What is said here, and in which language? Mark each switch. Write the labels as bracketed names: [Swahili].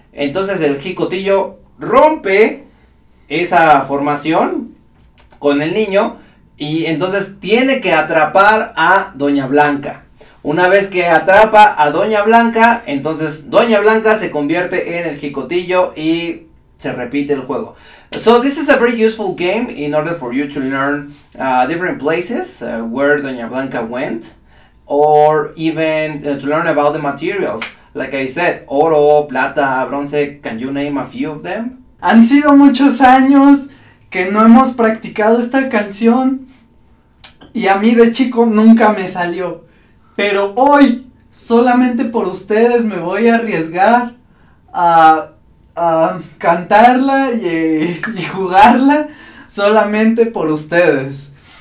[Spanish] Entonces el jicotillo rompe esa formación con el niño y entonces tiene que atrapar a Doña Blanca. Una vez que atrapa a Doña Blanca, entonces Doña Blanca se convierte en el jicotillo y se repite el juego. [English] So this is a very useful game in order for you to learn different places where Doña Blanca went, or even to learn about the materials. Like I said, [Spanish] oro, plata, bronce, [English] can you name a few of them? [Spanish] Han sido muchos años que no hemos practicado esta canción y a mí de chico nunca me salió. Pero hoy, solamente por ustedes, me voy a arriesgar a cantarla y jugarla solamente por ustedes.